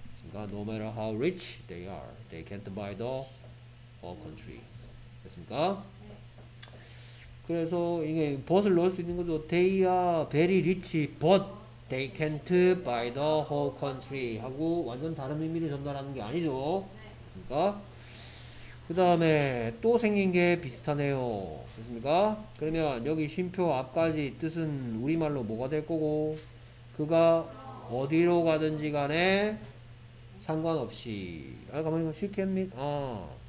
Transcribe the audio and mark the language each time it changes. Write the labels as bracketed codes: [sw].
[en] 그러니까 no matter how rich they are, they can't buy the whole country. [ko] 됐습니까? 그래서 이게 but을 넣을 수 있는 거죠. [en] They are very rich, but they can't buy the whole country. [ko] 하고 완전 다른 의미를 전달하는 게 아니죠. 됐습니까? 그 다음에 또 생긴 게 비슷하네요. 됐습니까? 그러면 여기 쉼표 앞까지 뜻은 우리말로 뭐가 될 거고 그가 어디로 가든지 간에 상관없이 아 가만히 가 she can meet 아